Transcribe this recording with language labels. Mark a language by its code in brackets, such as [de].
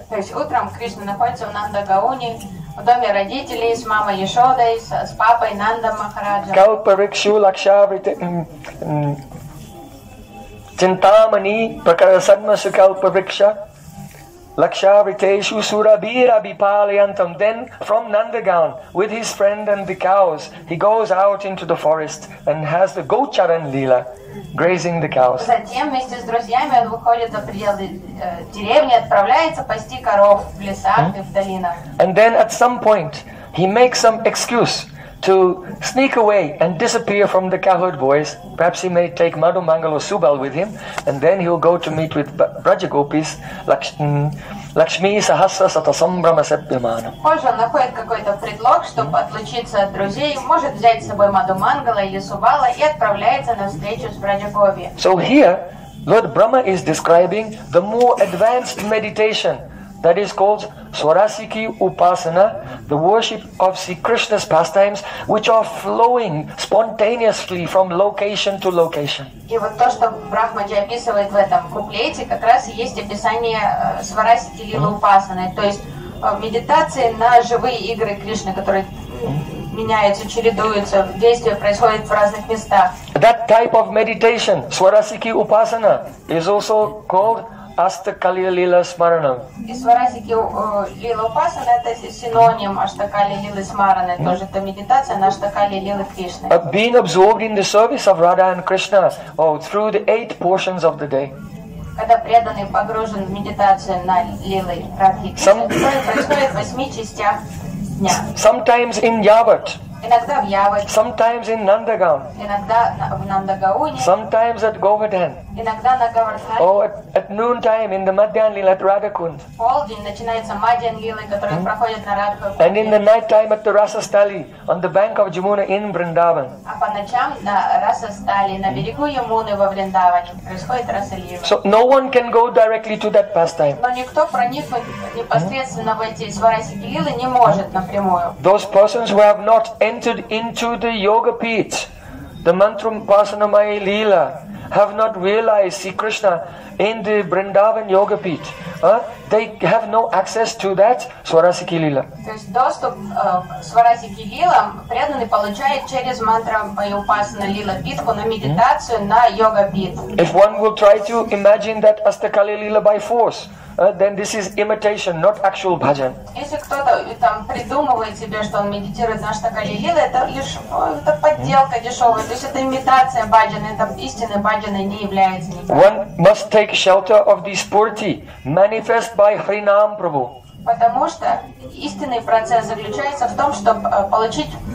[sa] Kalpariksu lakshavrita chintamani prakarasadmasu kalpariksha lakshavriteshu surabira bipalayantam. [en] Then from Nanda Gaon with his friend and the cows, he goes out into the forest and has the gocharan lila, grazing the cows. [ru] Затем вместе с друзьями он выходит за пределы деревни, отправляется пасти коров в лесах и в долинах. [en] And then at some point he makes some excuse to sneak away and disappear from the cowherd boys. Perhaps he may take Madhu Mangalo Subal with him, and then he'll go to meet with Braja Gopis, [sa] Lakshmi Sahasra Satasambrama Sabhyamana. [ru] Может, он находит какой-то предлог, чтобы отлучиться от друзей, может взять с собой Madhu Mangalo или Subala и отправляется на встречу с Braja Gopis. [en] So here, Lord Brahma is describing the more advanced meditation, that is called Swarasiki Upasana, the worship of Sri Krishna's pastimes, which are flowing spontaneously from location to location. [ru] И вот то, что Брахмаджи описывает в этом куплете, как раз и есть описание Сварасики Лила Упасаны, то есть медитации на живые игры Кришны, которые меняются, чередуются, действия происходят в разных местах. [en] That type of meditation, Swarasiki Upasana, is also called Ashtakali Lila Smaranam. [ru] И Сварасики Лила Упасана — это синоним Ashtakali Lila Smaranam. Тоже это медитация на Ashtakali Lila Krishna. [en] Being absorbed in the service of Radha and Krishna through the eight portions of the day. [ru] Когда преданный погружен в медитацию на Лилы Радхи Кришна, происходит в восьми частях дня. [en] Sometimes in Yavat. [ru] Иногда в Явах. [en] Sometimes in Nandagaon. [ru] Иногда в Нандагауне. [en] Sometimes at Govardhan. [ru] Иногда на Говардхане. [en] Or at noontime in the Madhyan Lila at Radhakund. [ru] В полдень начинается Madhyan Lila, которая проходит на Радхакунде. [en] And in the night time at the Rasastali on the bank of Jamuna in Vrindavan. [ru] А по ночам на Rasastali, на берегу Ямуны во Вриндаване, происходит Расалила. [en] So no one can go directly to that pastime. [ru] Но никто проникнуть непосредственно в эти Сварасики Лилы не может напрямую. [en] Those persons who have not entered into the yoga pit, the mantram pasanamaya lila, have not realized Sri Krishna in the Vrindavan yoga pit, they have no access to that Swarasiki lila. [ru] То есть доступ к Сварасики лилам преданный получает через мантрам пасана лила питку на медитацию на йога пит. [en] If one will try to imagine that Ashtakali lila by force, then this is imitation, not actual bhajan. [ru] Если кто-то там придумывает себе, что он медитирует на Ashtakali lila, это лишь это подделка дешевая. То есть это имитация бхаджана, это истинный бхаджан не является никак. [en] One must take shelter of the spurti manifest by Hrinam Prabhu. [ru] Потому что истинный процесс заключается в том, чтобы получить